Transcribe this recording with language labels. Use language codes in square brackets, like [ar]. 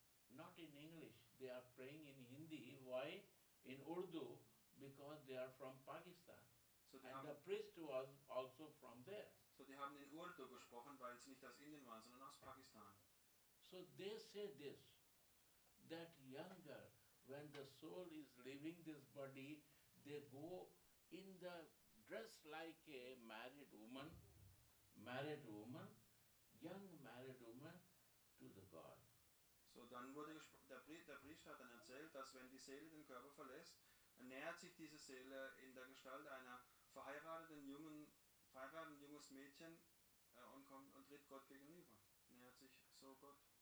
[en] Not in English. They are praying in Hindi. Why? In Urdu, because they are from Pakistan. So and the priest was also from there. [de] So die haben in Urdu gesprochen, weil sie nicht aus Indien waren, sondern aus Pakistan. [en] So they say this, that younger, when the soul is leaving this body, they go in the dress like a married woman, young married woman to the God. [de] So dann wurde der Priester hat dann erzählt, dass wenn die Seele den Körper verlässt, nähert sich diese Seele in der Gestalt einer verheirateten junges Mädchen und kommt und tritt Gott gegenüber. Nähert sich so Gott.